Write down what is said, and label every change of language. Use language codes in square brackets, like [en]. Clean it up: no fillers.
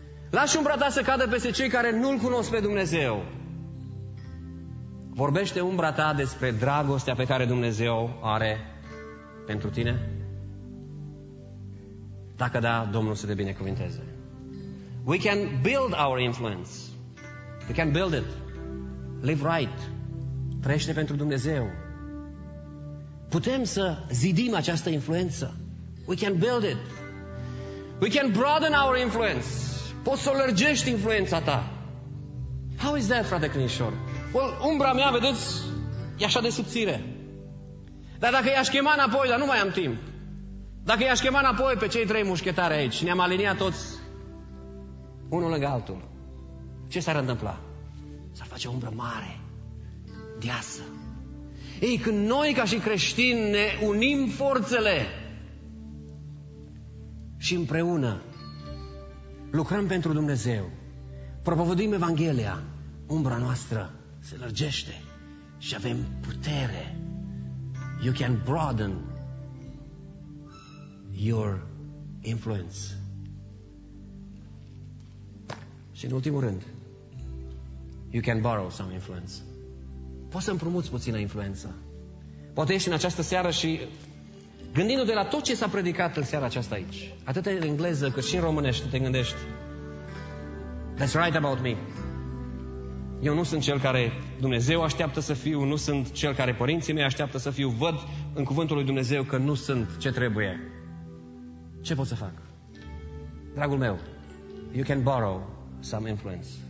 [ro] Lași umbra ta să cadă peste cei care nu-L cunosc pe Dumnezeu. Vorbește umbra ta despre dragostea pe care Dumnezeu are pentru tine? Dacă da, Domnul să te binecuvinteze. [en] We can build our influence. We can build it. Live right. [ro] Trăiește pentru Dumnezeu. Putem să zidim această influență. [en] We can build it. We can broaden our influence. [ro] Poți să o lărgești influența ta. [en] How is that, frate Crinișor? [ro] Well, umbra mea, vedeți, e așa de subțire. Dar dacă i-aș chema înapoi, dar nu mai am timp. Dacă i-aș chema înapoi pe cei trei mușchetari aici, ne-am aliniat toți unul lângă altul. Ce s-ar întâmpla? s-ar face o umbră mare, deasă. Ei, când noi ca și creștini ne unim forțele și împreună lucrăm pentru Dumnezeu, propovăduim Evanghelia, umbra noastră se lărgește și avem putere. [en] You can broaden your influence. [ro] Și în ultimul rând, [en] you can borrow some influence. [ro] Poți să împrumuți puțină influență. Poate ești în această seară și gândindu-te la tot ce s-a predicat în seara aceasta aici, atât în engleză cât și în românești, te gândești, [en] that's right about me. [ro] Eu nu sunt cel care Dumnezeu așteaptă să fiu, nu sunt cel care părinții mei așteaptă să fiu, văd în cuvântul lui Dumnezeu că nu sunt ce trebuie. Ce pot să fac? Dragul meu, [en] you can borrow some influence.